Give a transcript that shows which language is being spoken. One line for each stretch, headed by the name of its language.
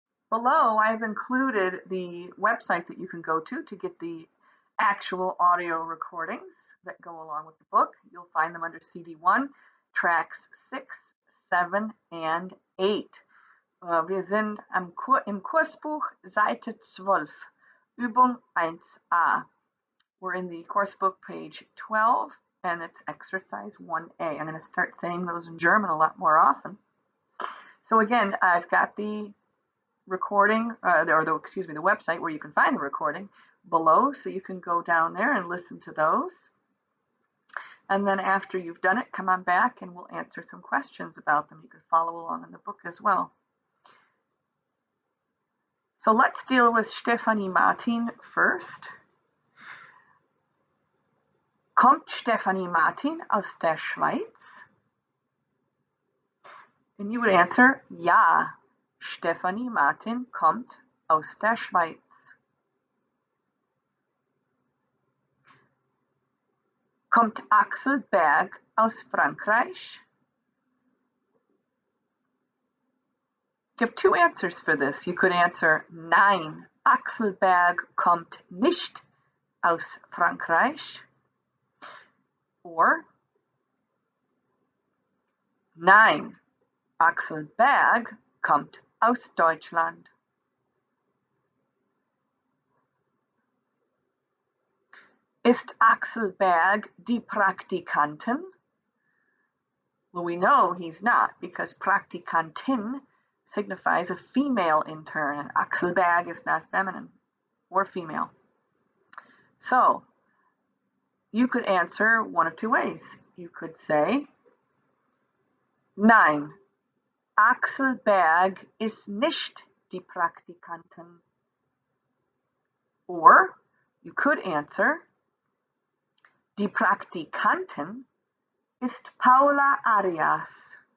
English: Below, I have included the website that you can go to get the actual audio recordings that go along with the book. You'll find them under CD1, tracks 6, 7, and 8.
German: Wir sind am Kur im Kursbuch Seite 12, Übung 1a.
English: We're in the course book page 12, and it's exercise 1a. I'm going to start saying those in German a lot more often. So again, I've got the recording, or the, excuse me, the website where you can find the recording below, so you can go down there and listen to those. And then after you've done it, come on back and we'll answer some questions about them. You can follow along in the book as well. So let's deal with Stephanie Martin first.
German: Kommt Stephanie Martin aus der Schweiz?
English: And you would answer,
German: ja. Stephanie Martin kommt aus der Schweiz. Kommt Axel Berg aus Frankreich?
English: You have two answers for this. You could answer,
German: nein, Axel Berg kommt nicht aus Frankreich. Or, nein, Axel Berg kommt aus Deutschland. Ist Axel Berg die Praktikantin?
English: Well, we know he's not because Praktikantin signifies a female intern, and Axel Berg is not feminine or female. So, you could answer one of two ways. You could say, nein.
German: Axel Berg ist nicht die Praktikantin.
English: Or you could answer,
German: die Praktikantin ist Paula Arias.